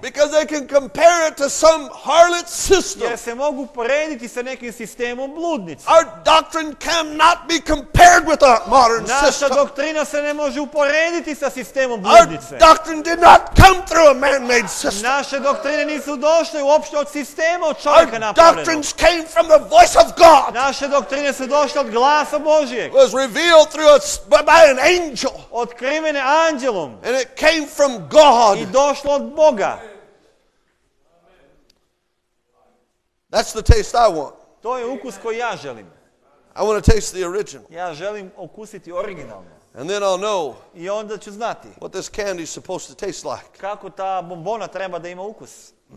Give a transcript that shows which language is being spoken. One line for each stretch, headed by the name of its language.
English: Because they can compare it to some harlot system.
Serbian: Jer se mogu porediti sa nekim sistemom bludnice.
English: Our doctrine cannot be compared with a modern
Serbian: Naša
English: system.
Serbian: Naša doktrina se ne može uporediti sa sistemom bludnice.
English: Our doctrine did not come through a man-made system.
Serbian: Naše doktrine nisu došle uopšte od sistema od čovjeka napravljeno.
English: Our doctrines came from the voice of God.
Serbian: Naše doktrine su došle od glasa Božijeg.
English: It was revealed through by an angel.
Serbian: Otkrivene anđelom.
English: And it came from God.
Serbian: I došlo od Boga.
English: That's the taste I want.
Serbian: To je ukus koji ja želim.
English: I want to taste the original.
Serbian: Ja želim okusiti originalno.
English: And then I'll know.
Serbian: I onda ću znati.
English: What this candy is supposed to taste like.
Serbian: Kako ta bombona treba da ima ukus.